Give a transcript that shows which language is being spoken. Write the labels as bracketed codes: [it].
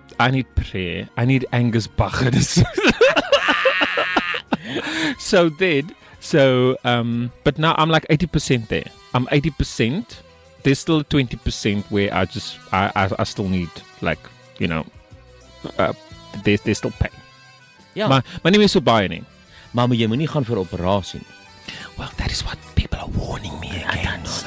[en] I need prayer. I need Angus Bachers. But now I'm like 80% there. I'm 80%. There's still 20% where I still need, like, you know, there's still pain. Yeah. My name is Subaya. [af] Mama, you moet gaan voor operasie. [en] Well, that is what people are warning me against.